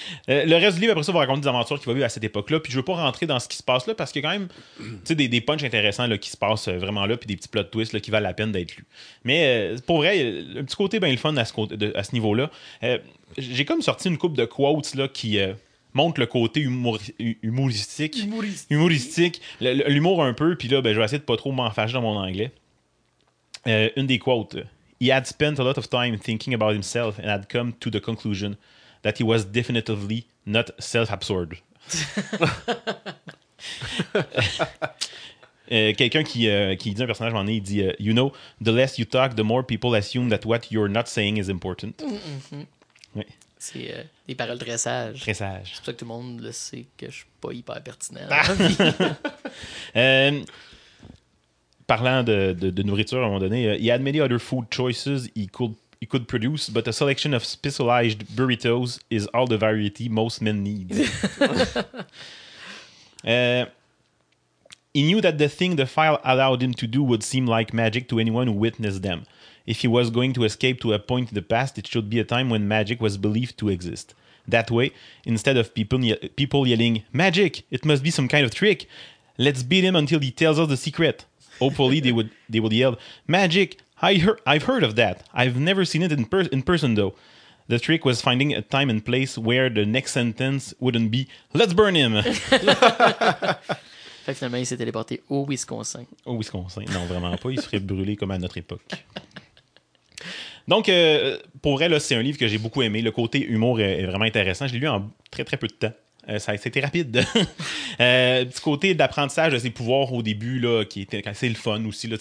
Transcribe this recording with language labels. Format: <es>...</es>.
<fr>Le reste du livre, après ça, va raconter des aventures qu'il va vivre à cette époque-là. Puis je veux pas rentrer dans ce qui se passe là, parce qu'il y a quand même des punchs intéressants là, qui se passent vraiment là, puis des petits plot twists là, qui valent la peine d'être lus. Mais pour vrai, un petit côté bien le fun à ce niveau-là. J'ai comme sorti une couple de quotes là, qui montrent le côté humoristique. L'humour un peu, puis là, ben, je vais essayer de pas trop m'enfâcher dans mon anglais. Une des quotes.</fr> <en>« He had spent a lot of time thinking about himself and had come to the conclusion that he was definitively not self-absorbed. »</en> <fr>quelqu'un qui dit un personnage, en est, il dit</fr> <en>« You know, the less you talk, the more people assume that what you're not saying is important. »</en> <fr>Oui. C'est des paroles très sages. Très sages. C'est pour ça que tout le monde le sait que je suis pas hyper pertinent. Ah! parlant de nourriture à un moment donné,</fr> <en>he had many other food choices he could produce, but a selection of specialized burritos is all the variety most men need. He knew that the thing the file allowed him to do would seem like magic to anyone who witnessed them. If he was going to escape to a point in the past, it should be a time when magic was believed to exist. That way, instead of people yelling, "Magic! It must be some kind of trick! Let's beat him until he tells us the secret!" Hopefully, they would yell, "Magic! I've heard of that! I've never seen it in person, though." The trick was finding a time and place where the next sentence wouldn't be, "Let's burn him!"</en> <fr>Fait que finalement, il s'est téléporté au Wisconsin. Au Wisconsin. Non, vraiment pas. Il serait brûlé comme à notre époque. Donc, pour elle, c'est un livre que j'ai beaucoup aimé. Le côté humour est vraiment intéressant. Je l'ai lu en très, très peu de temps. C'était rapide. petit côté d'apprentissage de ses pouvoirs au début, là, qui était assez le fun aussi. Là.</fr>